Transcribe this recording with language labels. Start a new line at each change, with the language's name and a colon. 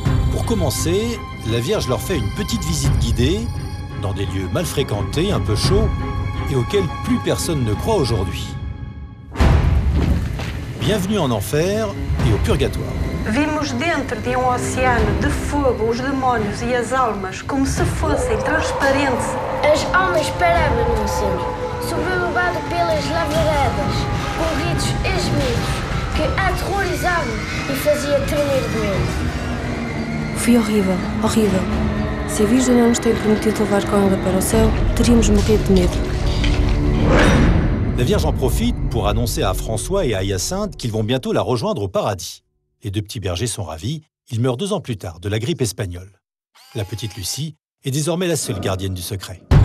French: Pour commencer, la Vierge leur fait une petite visite guidée dans des lieux mal fréquentés, un peu chauds, et auxquels plus personne ne croit aujourd'hui. Bienvenue en enfer et au purgatoire.
Portuguese: Vimos dentro de um oceano de fogo os demônios e as almas como se fossem transparentes. As almas paravam no céu, sobrelevado pelas labaredas, com gritos esmeros que aterrorizavam e faziam tremer de medo. Foi horrível, horrível. Se a Virgem não nos tem permitido levar com ela para o céu, teríamos morrido de medo.
French: La Vierge en profite pour annoncer à François et à Hyacinthe qu'ils vont bientôt la rejoindre au paradis. Les deux petits bergers sont ravis, ils meurent 2 ans plus tard de la grippe espagnole. La petite Lucie est désormais la seule gardienne du secret.